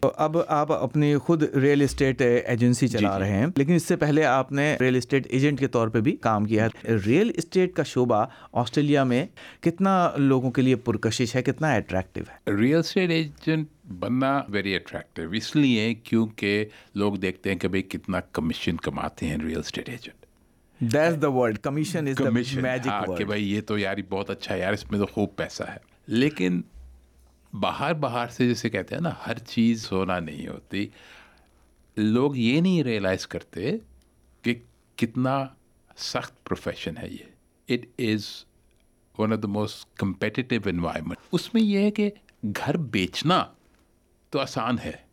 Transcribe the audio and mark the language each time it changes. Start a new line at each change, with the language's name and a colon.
Urdu: اب آپ اپنی خود ریئل اسٹیٹ ایجنسی چلا رہے ہیں، لیکن اس سے پہلے آپ نے ریئل اسٹیٹ ایجنٹ کے طور پہ بھی کام کیا ہے۔ ریئل اسٹیٹ کا شعبہ آسٹریلیا میں کتنا لوگوں کے لیے پرکشش ہے، کتنا اٹریکٹیو ہے؟ ریئل اسٹیٹ ایجنٹ بننا
English: very attractive
Urdu: اس لیے کیونکہ لوگ دیکھتے ہیں کہ بھائی کتنا کمیشن کماتے ہیں real estate agent.
English: that's the word, commission is the magic word,
Urdu: کہ بھائی یہ تو یار بہت اچھا یار، اس میں تو خوب پیسہ ہے۔ لیکن باہر باہر سے جیسے کہتے ہیں نا، ہر چیز سونا نہیں ہوتی۔ لوگ یہ نہیں ریئلائز کرتے کہ کتنا سخت پروفیشن ہے یہ۔
English: It is one of the most competitive environment.
Urdu: اس میں یہ ہے کہ گھر بیچنا تو آسان ہے